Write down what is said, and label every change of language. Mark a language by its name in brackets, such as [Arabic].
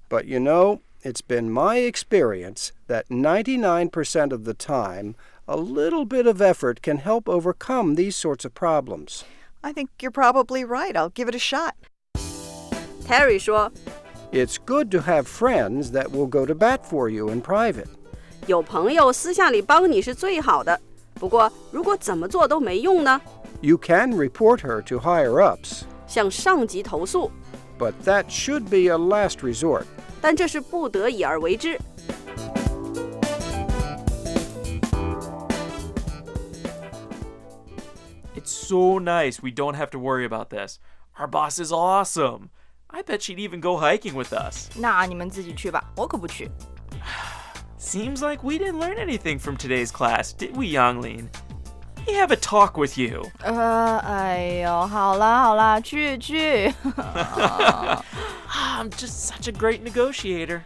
[English] But you know, it's been my experience that 99% of the time, a little bit of effort can help overcome these sorts of problems. I think you're probably right. I'll give it a shot. [Chinese] Terry 说, [English] It's good to have friends that will go to bat for you in private. [Chinese] 有朋友私下里帮你是最好的。不过如果怎么做都没用呢? [English] You can report her to higher-ups. [Chinese] 向上级投诉 [English] But that should be a last resort. [Chinese] 但这是不得已而为之。 [English] It's so nice we don't have to worry about this. Our boss is awesome. I bet she'd even go hiking with us. [Chinese] 那你们自己去吧，我可不去。 [English] Seems like we didn't learn anything from today's class, did we, Yanglin? We have a talk with you. [Chinese] 哎呦，好啦好啦，去去。 [English] I'm just such a great negotiator.